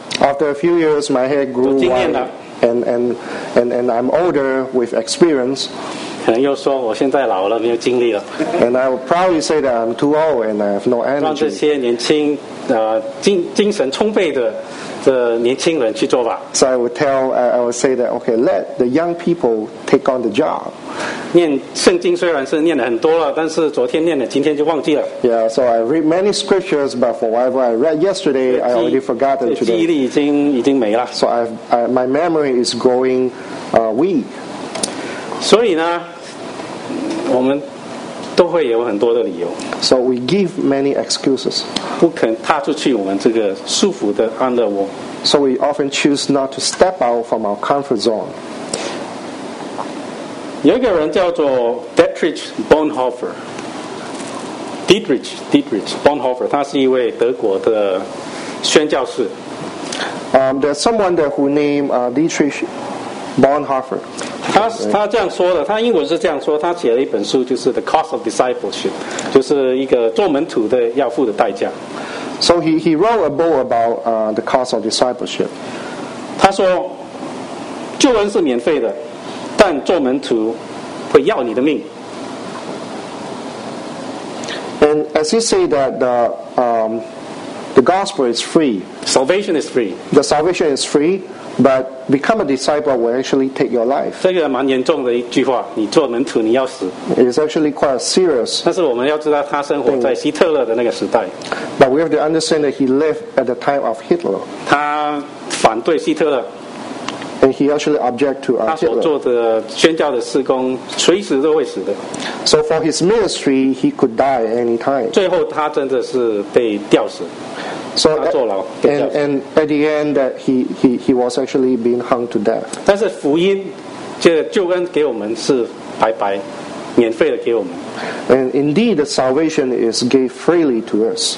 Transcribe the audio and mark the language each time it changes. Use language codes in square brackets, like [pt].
[en] After a few years, my hair grew white. [zh] 有经验了。 [en] And I'm older with experience. [zh] 可能又说我现在老了，没有精力了。 [en] And I will probably say that I'm too old and I have no energy. [zh] 让这些年轻。精神充沛的这年轻人去做吧。 [en] So I would say that okay, let the young people take on the job. [zh] 念圣经虽然是念了很多了，但是昨天念了，今天就忘记了。 [en] Yeah, so I read many scriptures, but for whatever I read yesterday, I already forgotten today. [zh] 记忆力已经没了。 [en] So my memory is growing weak. [zh] 所以呢，我们都会有很多的理由。 [en] So we give many excuses. [zh] 不肯踏出去我们这个舒服的安乐窝。 [en] So we often choose not to step out from our comfort zone. [zh] 有一个人叫做 Dietrich Bonhoeffer. Dietrich Bonhoeffer, 他是一位德国的宣教士。 [en] There's someone that who named Dietrich Bonhoeffer. [zh] 他这样说的，他英文是这样说，他写了一本书，就是《The Cost of Discipleship》，就是一个做门徒的要付的代价。 [en] So he wrote a book about the cost of discipleship. [zh] 他说，救恩是免费的，但做门徒会要你的命。 [en] And as you say that the gospel is free. Salvation is free. The salvation is free, but become a disciple will actually take your life. [zh] 这个蛮严重的一句话, 你做门徒, [en] it's actually quite serious. Thing. But we have to understand that he lived at the time of Hitler. [zh] 他反对希特勒, [en] and he actually objected to Hitler. So for his ministry, he could die any time. So and at the end, that he was actually being hung to death. [zh] 但是福音, 这救恩给我们是白白, [en] and indeed, the salvation is gave freely to us.